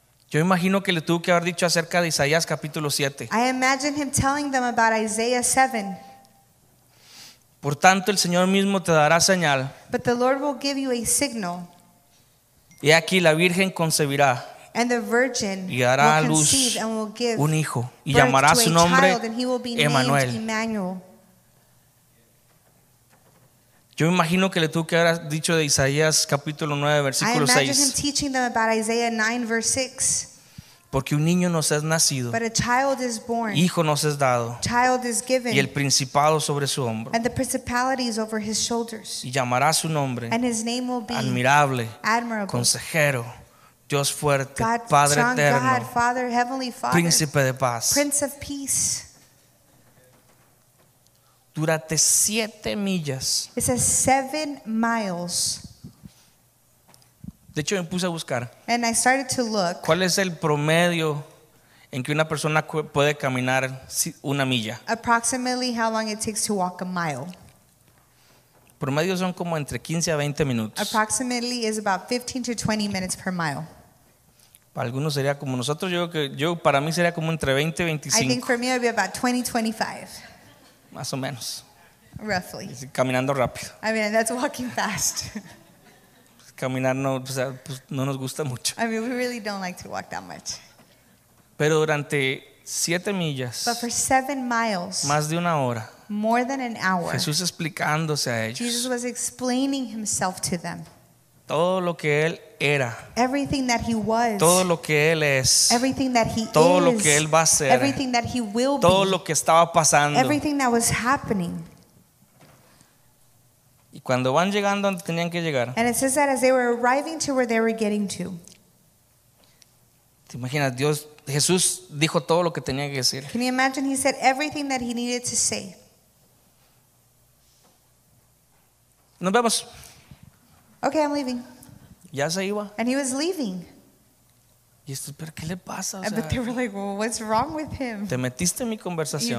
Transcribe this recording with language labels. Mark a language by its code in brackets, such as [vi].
[es] Yo imagino que le tuvo que haber dicho acerca de Isaías capítulo 7. [en] I imagine him telling them about Isaiah 7. [es] Por tanto, el Señor mismo te dará señal. [en] But the Lord will give you a signal. [es] Y aquí la Virgen concebirá. [en] And the virgin [es] y hará [en] will [es] luz [en] conceive and will give [es] un hijo y llamará [en] a [es] su nombre Emmanuel. Yo me imagino que le tuvo que haber dicho de Isaías capítulo 9 versículo 6. [en] I imagine him teaching them about Isaiah 9 verse 6. [es] Porque un niño nos es nacido. [en] But a child is born. [es] Hijo nos es dado. [en] Child is given. [es] Y el principado sobre su hombro. [en] And the principality is over his shoulders. [es] Y llamará su nombre. [en] And his name will be [es] admirable. [en] Admirable. [es] Consejero. Dios fuerte, [en] God, [es] Padre [en] strong [es] eterno, [en] God, Father, Heavenly Father, [es] Príncipe de paz. [en] Prince of Peace. [es] Durante 7 millas. [en] It says 7 miles. [es] De hecho, me puse a buscar. [en] And I started to look. [es] ¿Cuál es el promedio en que una persona puede caminar una milla? [en] Approximately how long it takes to walk a mile. [es] Promedio son como entre 15 a 20 minutos. [en] Approximately is about 15 to 20 minutes per mile. [es] Para algunos sería como nosotros, yo para mí sería como entre 20 y 25. [en] I think for me it would be about 20 25. [es] Más o menos. [en] Roughly. [es] Caminando rápido. [en] I mean, that's walking fast. [es] Caminar no, o sea, pues no nos gusta mucho. [en] I mean, we really don't like to walk that much. [es] Pero durante 7 millas. [en] But for 7 miles. [es] Más de una hora. [en] More than an hour. [es] Jesús explicándose a ellos. [en] Jesus was explaining himself to them. [es] Todo lo que él era. [en] Everything that he was. [es] Todo lo que él es. [en] Everything that he [es] todo [en] is. [es] Lo que él va a ser. [en] Everything that he will [es] todo [en] be. [es] Todo lo que estaba pasando. [en] Everything that was happening. [es] Y cuando van llegando donde tenían que llegar. [en] And it says that as they were arriving to where they were getting to. [es] ¿Te imaginas? Dios, Jesús dijo todo lo que tenía que decir. [en] Can you imagine? He said everything that he needed to say. [es] Nos vemos. [en] Okay, I'm leaving. [es] Ya se iba. [en] And he was leaving. [es] Y esto, ¿pero qué le pasa? [en] But they were like, well, what's wrong with him? [es] Te metiste en mi conversación.